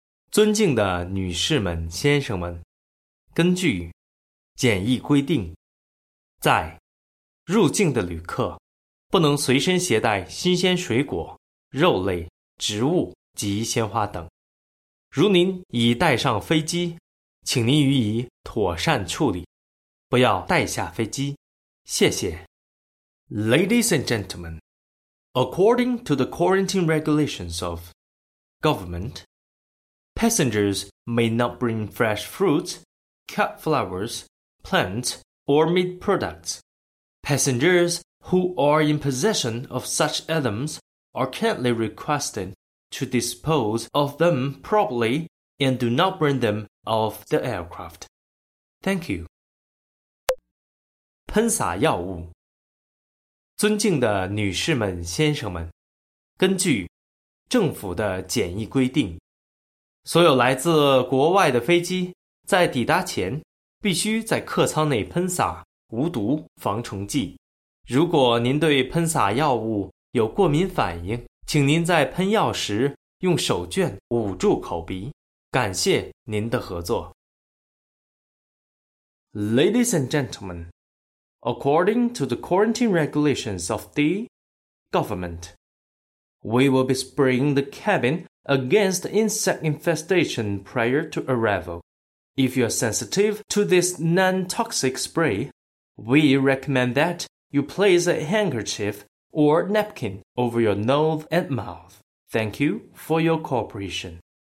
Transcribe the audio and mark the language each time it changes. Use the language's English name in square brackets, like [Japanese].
[Chinese] 尊敬的女士们先生们，根据检疫规定，在入境的旅客不能随身携带新鲜水果、肉类、植物及鲜花等。如您已带上飞机，请您予以妥善处理，不要带下飞机，谢谢。 [English] Ladies and gentlemen, according to the quarantine regulations of government, passengers may not bring fresh fruits, cut flowers, plants or meat products. Passengers who are in possession of such items are kindly requestedto dispose of them properly and do not burn them off the aircraft. Thank you. [Chinese] 喷洒药物。尊敬的女士们、先生们，根据政府的检疫规定，所有来自国外的飞机在抵达前必须在客舱内喷洒无毒防虫剂。如果您对喷洒药物有过敏反应，请您在喷药时用手绢捂住口鼻，感谢您的合作。 [English] Ladies and gentlemen, according to the quarantine regulations of the government, we will be spraying the cabin against insect infestation prior to arrival. If you are sensitive to this non-toxic spray, we recommend that you place a handkerchief or napkin over your nose and mouth. Thank you for your cooperation.